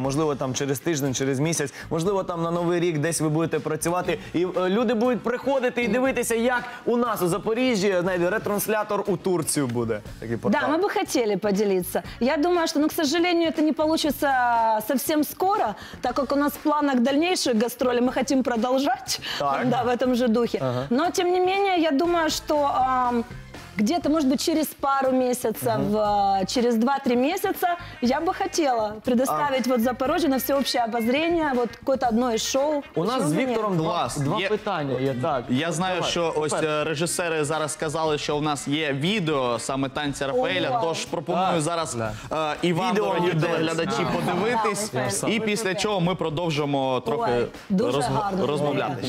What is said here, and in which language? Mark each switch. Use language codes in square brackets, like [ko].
[uk] Можливо, там через тиждень, через місяць, можливо, там на Новий рік десь ви будете працювати, і люди будуть приходити і дивитися, як у нас у Запоріжжі, знаєте, ретранслятор у Турцію буде. Да, ми би хотіли поділитися. Я думаю, що, ну, [ru] к сожалению, [uk] це не вийде зовсім скоро, так як у нас в планах [ru] дальнейших гастролей, [uk] ми хочемо продовжувати, да, в цьому ж духі. Ага. Но, тим не менше, я думаю, що... [ru] где-то, может быть, через пару месяцев, через 2-3 месяца я бы хотела предоставить вот Запорожье на всеобщее обозрение вот какое-то одно из шоу. У нас с Виктором два питання. [uk] Я знаю, що ось режисери зараз сказали, що у нас є відео саме танця Рафаеля, тож пропоную зараз і вам, дорогі телеглядачі, подивитись, і після чого ми продовжимо трохи розмовляти.